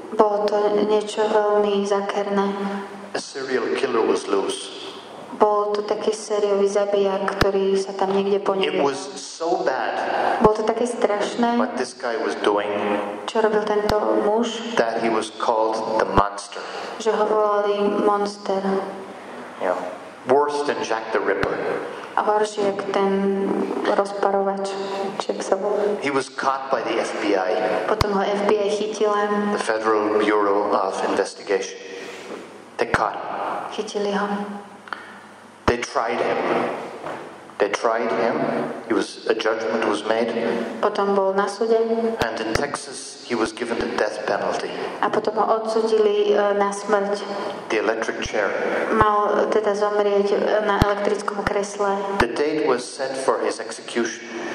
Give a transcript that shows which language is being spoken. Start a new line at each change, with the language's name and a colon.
Slovak: Bolo to niečo veľmi zákerné.
English: A serial killer was loose.
Slovak: Bol to taký sériový zabijak, ktorý sa tam niekde poniekol.
English: It was so bad.
Slovak: Bolo to také strašné.
English: What this guy was doing.
Slovak: Čo robil tento muž?
English: That he was called the monster.
Slovak: Že ho volali monster.
English: Yeah. Worse than Jack the Ripper.
Slovak: A horší, jak ten rozparovač, či jak sa volá.
English: He was caught by the FBI.
Slovak: Potom ho FBI chytila.
English: The Federal Bureau of Investigation. They caught him.
Slovak: Chytili ho.
English: They tried him. They tried him. He was, a judgment was made.
Slovak: Potom bol na súde.
English: And in Texas, he was given the death penalty.
Slovak: A potom ho odsúdili na smrť.
English: The electric chair.
Slovak: Mal teda zomrieť na elektrickom kresle.
English: The date was set for his execution.